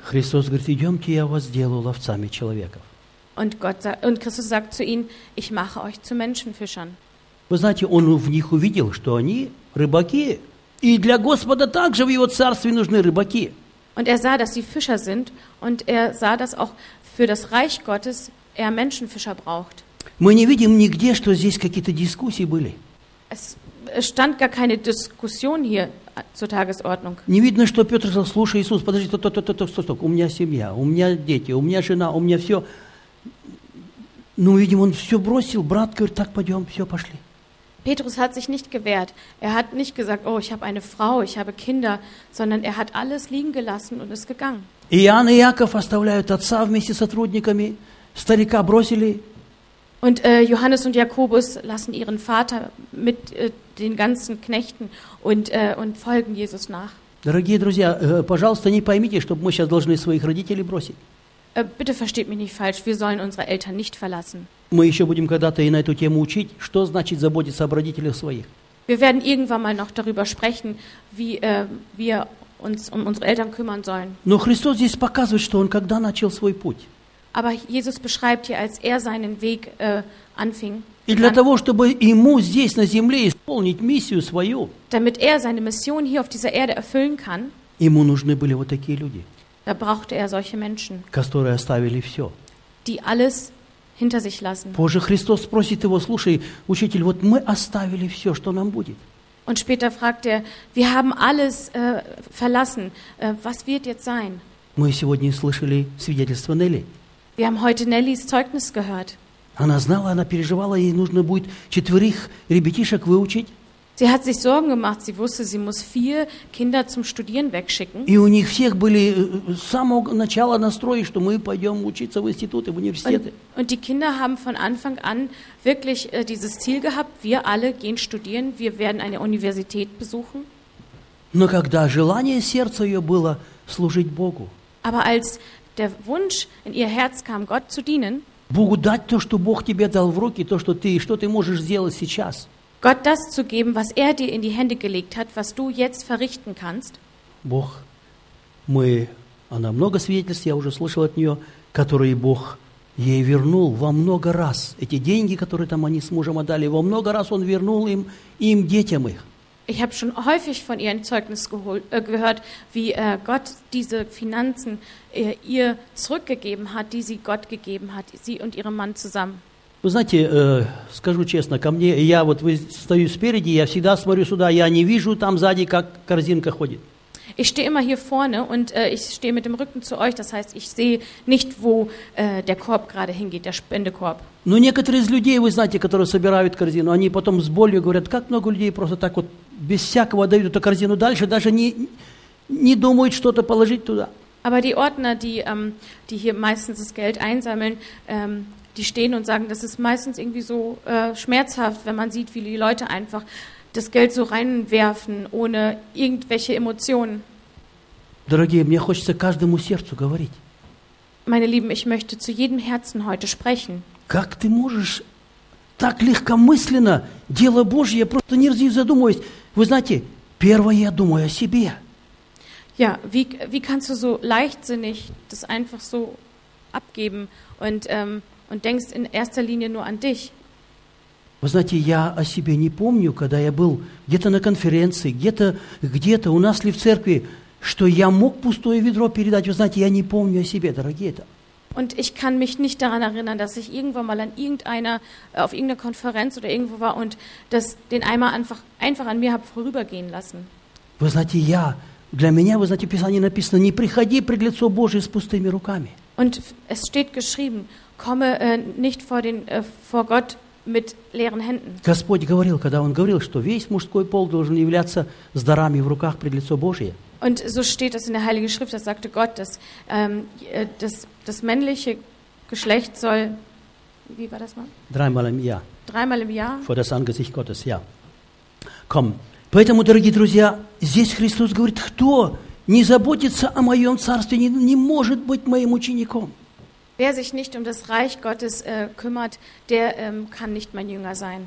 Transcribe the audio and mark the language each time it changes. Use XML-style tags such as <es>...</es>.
<ru>Христос говорит: «Идемте, я вас сделаю ловцами человеков».</ru> <de>Und Christus sagt zu ihnen: «Ich mache euch zu Menschenfischern».</de> <ru>Вы знаете, он в них увидел, что они рыбаки. И для Господа также в его царстве нужны рыбаки.</ru> <de>Und er sah, dass sie Fischer sind, und er sah, dass auch für das Reich Gottes er Menschenfischer braucht.</de> <ru>Мы не видим нигде, что здесь какие-то дискуссии были.</ru> <de>Es stand gar keine Diskussion hier zur Tagesordnung.</de> <ru>Не видно, что Петр сказал: «Слушай, Иисус, подожди, стоп, у меня семья, у меня дети, у меня жена, у меня все». Ну, видим, он все бросил, брат говорит: «Так, пойдем, все, пошли».</ru> <de>Petrus hat sich nicht gewehrt. Er hat nicht gesagt: «Oh, ich habe eine Frau, ich habe Kinder», sondern er hat alles liegen gelassen und ist gegangen.</de> <ru>Иоанн и Яков оставляют отца вместе с сотрудниками, старика бросили.</ru> <de>Und Johannes und Jakobus lassen ihren Vater mit den ganzen Knechten und folgen Jesus nach.</de> <ru>Дорогие друзья, пожалуйста, не поймите, что мы сейчас должны своих родителей бросить.</ru> <de>Bitte versteht mich nicht falsch, wir sollen unsere Eltern nicht verlassen.</de> <ru>Мы еще будем когда-то и на эту тему учить, что значит заботиться об родителях своих.</ru> <de>Wir werden irgendwann mal noch darüber sprechen, wie wir uns um unsere Eltern kümmern sollen.</de> <ru>Но Христос здесь показывает, что он когда начал свой путь.</ru> <de>Aber Jesus beschreibt hier, als er seinen Weg anfing.</de> <ru>И для того, чтобы ему здесь на земле исполнить миссию свою.</ru> <de>Damit er seine Mission hier auf dieser Erde erfüllen kann.</de> <ru>Ему нужны были вот такие люди.</ru> <de>Da brauchte er solche Menschen.</de> <ru>Которые оставили все.</ru> <de>Die alles hinter sich lassen.</de> <ru>Позже Христос спросит его: «Слушай, учитель, вот мы оставили все, что нам будет?»</ru> <de>Und später fragt er: «Wir haben alles verlassen. Was wird jetzt sein?»</de> <ru>Мы сегодня слышали свидетельство Нелли.</ru> <de>Wir haben heute Nellys Zeugnis gehört.</de> <ru>Она знала, она переживала, ей нужно будет четверых ребятишек выучить.</ru> <de>Sie hat sich Sorgen gemacht. Sie wusste, sie muss 4 Kinder zum Studieren wegschicken.</de> <ru>И у них всех были с самого начала настрой, что мы пойдем учиться в институты, в университеты.</ru> <de>Und die Kinder haben von Anfang an wirklich dieses Ziel gehabt: Wir alle gehen studieren, wir werden eine Universität besuchen.</de> <ru>Но когда желание сердца ее было служить Богу.</ru> <de>Aber als der Wunsch in ihr Herz kam, Gott zu dienen.</de> <ru>Богу дать то, что Бог тебе дал в руки, то, что ты, что ты можешь сделать сейчас.</ru> <de>Gott das zu geben, was er dir in die Hände gelegt hat, was du jetzt verrichten kannst.</de> <ru>Бог, мы, она много свидетельств, я уже слышал от нее, которые Бог ей вернул во много раз. Эти деньги, которые там они с мужем отдали, во много раз он вернул им детям их.</ru> <de>Ich habe schon häufig von ihr ein Zeugnis gehört, wie Gott diese Finanzen ihr zurückgegeben hat, die sie Gott gegeben hat, sie und ihrem Mann zusammen.</de> <ru>Вы знаете, скажу честно, ко мне, я вот стою спереди, я всегда смотрю сюда, я не вижу там сзади, как корзинка ходит.</ru> <de>Ich stehe immer hier vorne und ich stehe mit dem Rücken zu euch, das heißt, ich sehe nicht, wo der Korb gerade hingeht, der Spendekorb.</de> <ru>Но некоторые из людей, вы знаете, которые собирают корзину, они потом с болью говорят: «Как много людей просто так вот без всякого дают эту корзину дальше, даже не думают что-то положить туда».</ru> <de>Aber die Ordner, die hier meistens das Geld einsammeln, die stehen und sagen, das ist meistens irgendwie so schmerzhaft, wenn man sieht, wie die Leute einfach das Geld so reinwerfen, ohne irgendwelche Emotionen.</de> <ru>Дорогие, мне хочется каждому сердцу говорить.</ru> <de>Meine Lieben, ich möchte zu jedem Herzen heute sprechen.</de> <ru>Как ты можешь так легкомысленно дело Божье, просто не задумываясь? Вы знаете, первое я думаю о себе.</ru> <de>Ja, wie kannst du so leichtsinnig das einfach so abgeben und und denkst in erster Linie nur an dich.</de> <ru>Вы знаете, я о себе не помню, когда я был где-то на конференции, где-то у нас ли в церкви, что я мог пустое ведро передать. Вы знаете, я не помню о себе, дорогие, это.</ru> <de>Und ich kann mich nicht daran erinnern, dass ich irgendwo mal an irgendeiner, auf irgendeiner Konferenz oder irgendwo war und das den Eimer einfach an mir habe vorübergehen lassen.</de> <ru>Вы знаете, я, для меня, вы знаете, в Писании написано, не приходи пред лицо Божие с пустыми руками.</ru> <de>Und es steht geschrieben, komme nicht vor den, vor Gott mit leeren Händen.</de> <ru>Господь говорил, когда Он говорил, что весь мужской пол должен являться с дарами в руках пред лицо Божие.</ru> <de>Und so steht es in der Heiligen Schrift, das sagte Gott, dass das männliche Geschlecht soll, wie war das mal? Dreimal im Jahr. Dreimal im Jahr. Vor das Angesicht Gottes, ja. Komm.</de> <ru>Поэтому, дорогие друзья, здесь Христос говорит, кто не заботится о моем царстве, не может быть моим учеником.</ru> <de>Wer sich nicht um das Reich Gottes kümmert, der kann nicht mein Jünger sein.</de>